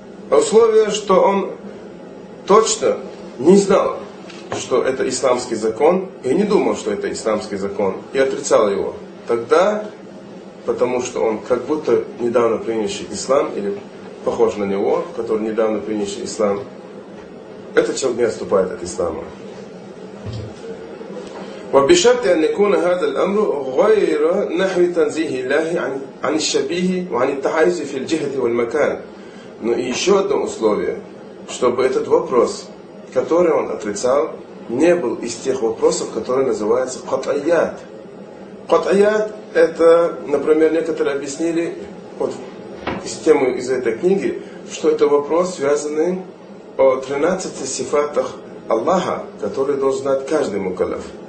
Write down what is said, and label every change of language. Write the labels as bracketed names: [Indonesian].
[Russian] А условие, что он точно не знал, что это исламский закон, и не думал, что это исламский закон, и отрицал его, тогда, потому что он как будто недавно принявший ислам, или похож на него, который недавно принявший ислам, этот человек не отступает от ислама. [Arabic] وبشرط أن يكون هذا الأمر غير نحو تنزيه الله عن الشبيه وعن التحيز في الجهة والمكان. [Russian] Но еще одно условие, чтобы этот вопрос, который он отрицал, не был из тех вопросов, которые называются قطعيات. قطعيات это, например, некоторые объяснили вот из темы из этой книги, что это вопрос, связанный о 13 сифатах Аллаха, которые должен знать каждый мукаллаф.